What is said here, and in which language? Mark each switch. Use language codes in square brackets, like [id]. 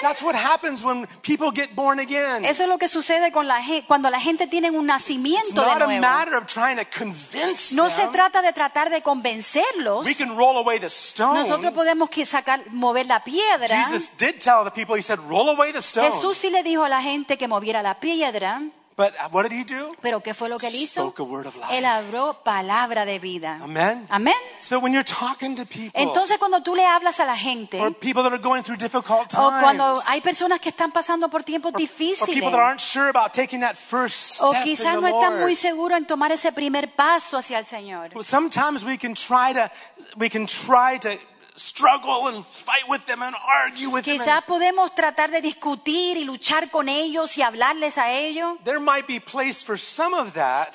[en] That's what happens when people get born again. [es] Eso es lo que sucede con la cuando la gente tiene un nacimiento [en] it's [es] de [en] not [es] nuevo. [en] A matter of trying to convince [es] no [en] them. [es] Se trata de tratar de convencerlos. [en] We can roll away the stone. [es] Nosotros podemos sacar, mover la piedra. [en] Jesus did tell the people, he said, roll away the stone. [es] Jesús sí le dijo a la gente que moviera la piedra. [en] But what did he do? [es] Pero ¿qué fue lo que él hizo? [en] Spoke a word of life. [es] Él habló palabra de vida. [en] Amen. [es] Amen. [en] So when you're talking to people, [es] entonces cuando tú le hablas a la gente, [en] or people that are going through difficult times, [es] o cuando hay personas que están pasando por tiempos difíciles, [en] or people that aren't sure about taking that first step, [es] o quizás no están muy seguros en tomar ese primer paso hacia el Señor. [en] Well, sometimes we can try to struggle and fight with them and argue with [es] quizá Quizá podemos tratar de discutir y luchar con ellos y hablarles a ellos. [en] There might be place for some of that.